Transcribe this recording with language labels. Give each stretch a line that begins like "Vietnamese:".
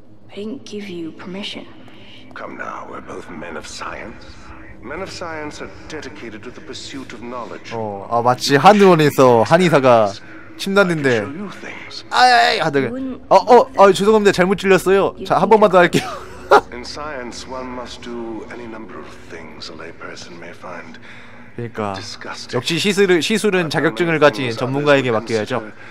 English: I didn't give you permission. Come now, we're both men of science. Men of science are dedicated to the pursuit of knowledge.
Korean: 어, 아 마치 한의원에서 한의사가 침 났는데 아이 하더니 어, 죄송합니다. 잘못 찔렸어요. 자, 한 번만 더 할게요.
English: In science, one must do any number of things a layperson may find.
Korean: 그러니까 역시 시술은 자격증을 가진 전문가에게 맡겨야죠.